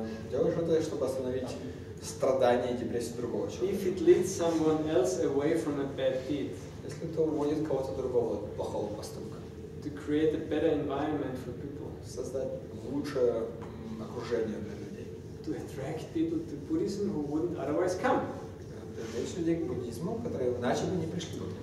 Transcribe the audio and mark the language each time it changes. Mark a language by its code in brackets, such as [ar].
[ru] Делаешь это, чтобы остановить страдания и депрессию другого человека. [en] If it leads someone else away from a bad deed. [ru] Если это уводит кого-то другого от плохого поступка. [en] To create a better environment for people. [ru] Создать лучшее окружение для людей. [en] To attract people to Buddhism who wouldn't otherwise come. [ru] Привлечь людей к буддизму, которые иначе бы не пришли к нему.